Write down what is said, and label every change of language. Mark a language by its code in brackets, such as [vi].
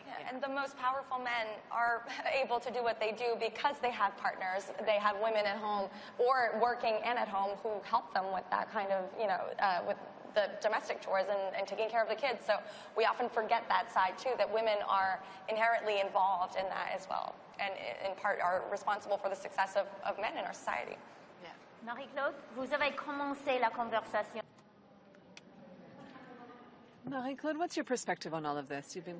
[en] Yeah, yeah. And the most powerful men are able to do what they do because they have partners, they have women at home or working and at home who help them with that kind of, with the domestic chores and taking care of the kids. So we often forget that side too, that women are inherently involved in that as well and in part are responsible for the success of men in our society. [fr] Marie-Claude, vous avez commencé la conversation. [en] Marie-Claude, what's your perspective on all of this?